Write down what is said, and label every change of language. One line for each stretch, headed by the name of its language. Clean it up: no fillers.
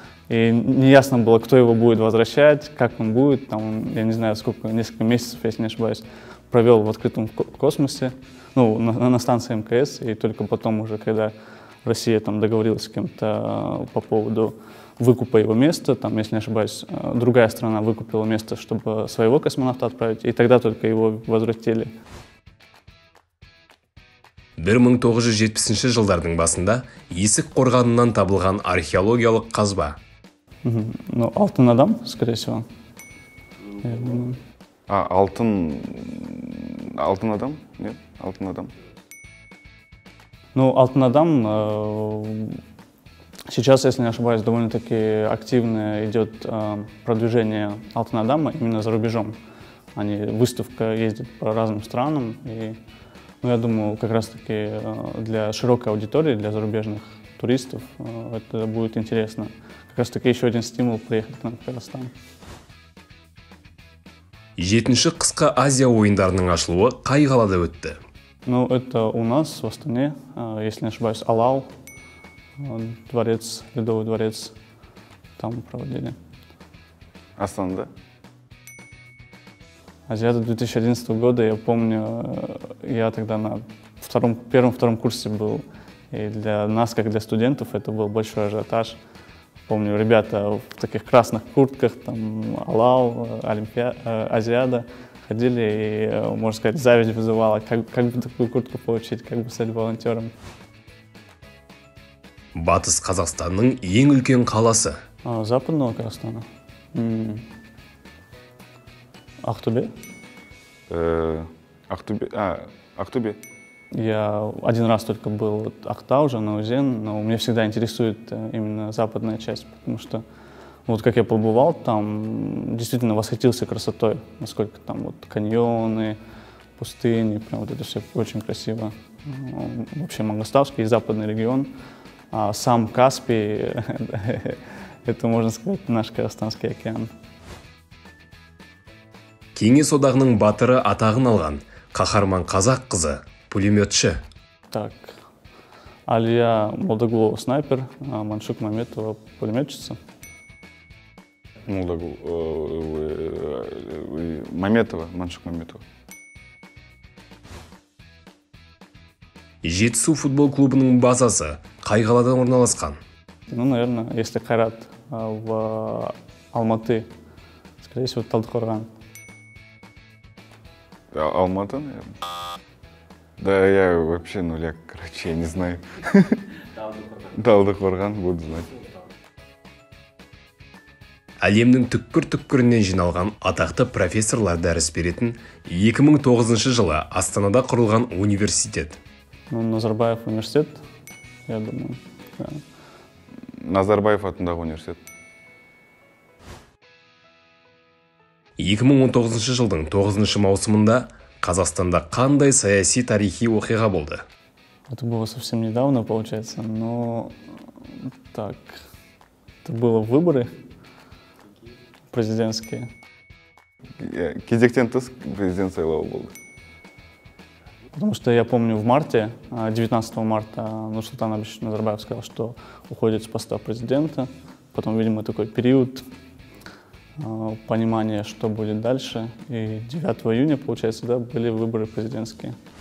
Russian: И не ясно было, кто его будет возвращать, как он будет, там, я не знаю, сколько, несколько месяцев, если не ошибаюсь, провел в открытом космосе, ну, на станции МКС, и только потом уже, когда Россия там договорилась с кем-то по поводу выкупа его места, там, если не ошибаюсь, другая страна выкупила место, чтобы своего космонавта отправить, и тогда только его возвратили.
Kazakh: 1970-ші жылдардың басында Есік қорғанынан табылған археологиялық қазба.
Russian: Ну, алтын адам, скорее всего. Алтын адам? Нет, алтын адам. Ну, алтын адам... Сейчас, если не ошибаюсь, довольно-таки активно идет продвижение Алтын Адама именно за рубежом. Они, выставка ездит по разным странам, и, ну, я думаю, как раз-таки для широкой аудитории, для зарубежных туристов это будет интересно. Как раз-таки еще один стимул приехать к нам в Казахстан.
Kazakh: 7-ші қысқа Азия ойындарының ашылуы қай қалада өтті?
Russian: Ну, это у нас в Астане, если не ошибаюсь, Алау. Дворец, Ледовый дворец, там проводили. Астана, да? Азиада 2011 года, я помню, я тогда на первом-втором курсе был. И для нас, как для студентов, это был большой ажиотаж. Помню, ребята в таких красных куртках, там, Алау, Азиада, ходили и, можно сказать, зависть вызывала. Как бы такую куртку получить, как бы стать волонтером.
Kazakh: Батыс Қазақстанның ең үлкен қаласы.
Russian: Западного Казахстана.
Kazakh: Ақтөбе? Ақтөбе.
Russian: Я один раз только был в Ақтау, Жаңаөзен, но мне всегда интересует именно западная часть, потому что вот как я побывал там, действительно восхитился красотой, насколько там вот каньоны, пустыни, прям вот это все очень красиво. Вообще Маңғыстауский и западный регион. А сам Каспий, это, можно сказать, наш Казахстанский океан.
Kazakh: Кеңес одағының батыры атағын алған, қаһарман қазақ қызы, пулеметші.
Russian: Так, Алия Молдагулова снайпер, а Маншук Маметова пулеметчица. Маншук Маметова.
Kazakh: Жетісу футбол клубының базасы қай қаладан орналасқан?
Russian: Ну, наверное, если Қайрат в Алматы, скорее всего, Талдықорған. Алматы, наверное. Да я вообще нуля, короче, я не знаю. Талдықорған, буду знать.
Kazakh: Әлемнің түккір-түккірінен жиналған атақты профессорлар дәріс беретін 2009 жылы Астанада құрылған университет.
Russian: Назарбаев университет, я думаю. Да.
Kazakh: Назарбаев атындағы университет. 2019 жылдың 9 маусымында Қазақстанда қандай саяси тарихи оқиға болды?
Russian: Это было совсем недавно, получается, но так, это было выборы президентские.
Kazakh: Кезектен тыс президент сайлауы болды.
Russian: Потому что я помню в марте, 19 марта, Нурсултан Абишевич Назарбаев сказал, что уходит с поста президента. Потом, видимо, такой период понимания, что будет дальше. И 9 июня, получается, да, были выборы президентские.